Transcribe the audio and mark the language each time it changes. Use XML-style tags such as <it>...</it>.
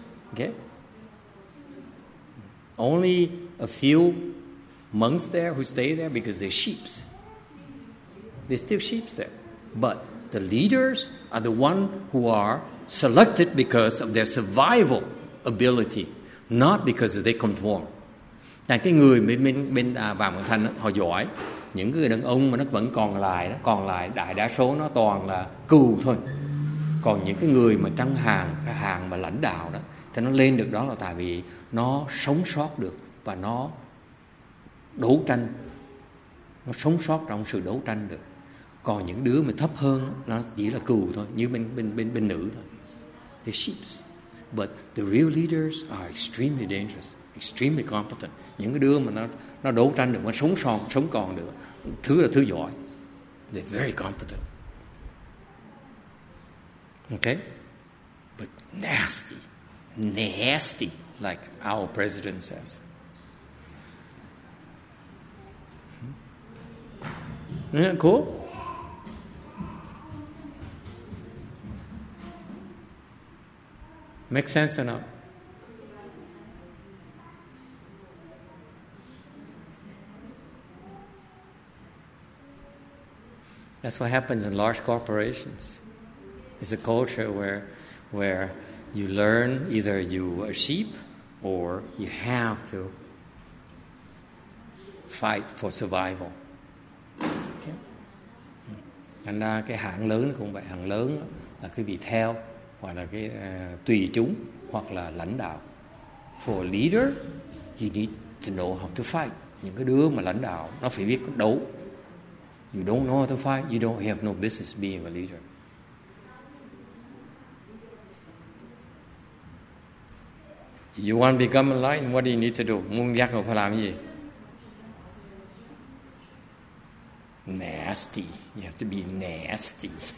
<en>Okay, only a few monks there who stay there because they're sheep. They're still sheep there, but the leaders are the one who are selected because of their survival ability. Not because they conform.</en> <vi>Là cái người bên Vàng Thành họ giỏi, những người đàn ông mà nó vẫn còn lại đó, còn lại đại đa số nó toàn là cừu thôi. Còn những cái người mà trong hàng, cái hàng mà lãnh đạo đó, thì nó lên được đó là tại vì nó sống sót được và nó đấu tranh, nó sống sót trong sự đấu tranh được. Còn những đứa mà thấp hơn nó chỉ là cừu thôi, như bên nữ thôi.</vi> <en>The sheep. But the real leaders are extremely dangerous, extremely competent.</en> <vi>Những cái đứa mà nó đấu tranh được, nó sống còn được, thứ là thứ giỏi.</vi> <en>They're very competent. Okay? But nasty. Nasty, like our president says. Isn't that cool? Make sense or not? That's what happens in large corporations. It's a culture where you learn either you are sheep or you have to fight for survival. Okay.</en> <vi>Thành ra cái hạng lớn cũng vậy, hạng lớn là cái bị theo hoặc là cái tùy chúng hoặc là lãnh đạo.</vi> <en>For a leader, you need to know how to fight.</en> <vi>Những cái đứa mà lãnh đạo nó phải biết đấu.</vi> <en>You don't know how to fight, you don't have no business being a leader. You want to become enlightened, what do you need to do?</en> <vi>Muốn giác ngộ phải làm gì?</vi> <en>Nasty. You have to be nasty.</en>